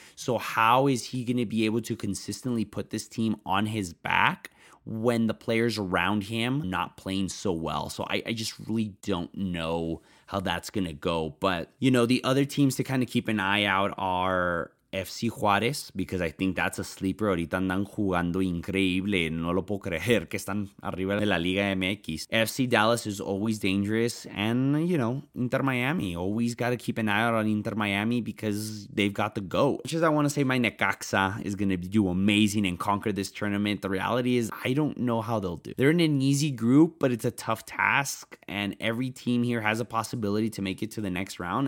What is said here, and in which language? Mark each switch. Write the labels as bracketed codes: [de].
[en] So how is he going to be able to consistently put this team on his back when the players around him are not playing so well? So I just really don't know how that's going to go. But, you know, the other teams to kind of keep an eye out are FC Juarez, because I think that's a sleeper. [es] Ahorita andan jugando increíble. No lo puedo creer que están arriba de la Liga MX. [en] FC Dallas is always dangerous. And, you know, Inter Miami. Always got to keep an eye out on Inter Miami because they've got the goat. Which is, I want to say my Necaxa is going to do amazing and conquer this tournament. The reality is, I don't know how they'll do. They're in an easy group, but it's a tough task. And every team here has a possibility to make it to the next round.